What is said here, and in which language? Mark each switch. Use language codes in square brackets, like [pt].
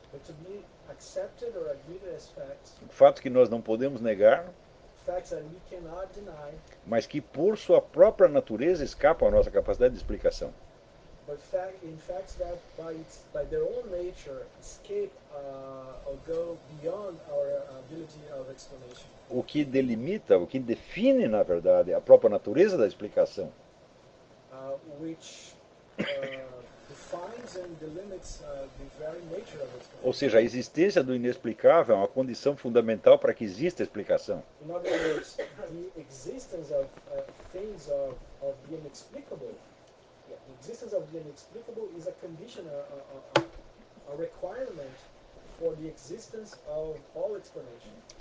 [en] But to be accepted or admitted as facts, [pt] fatos que nós não podemos negar, [en] facts that we cannot deny, [pt] mas que por sua própria natureza escapam à nossa capacidade de explicação. [en] but in fact that by their own nature escape or go beyond our ability of explanation. [pt] O que delimita, o que define, na verdade, a própria natureza da explicação. [en] Which defines and delimits the very nature of explanation. [pt] Ou seja, a existência do inexplicável é uma condição fundamental para que exista a explicação. [en] In other words, the existence of things of the inexplicable. The existence of the inexplicable is a condition, a requirement for the existence of all explanation.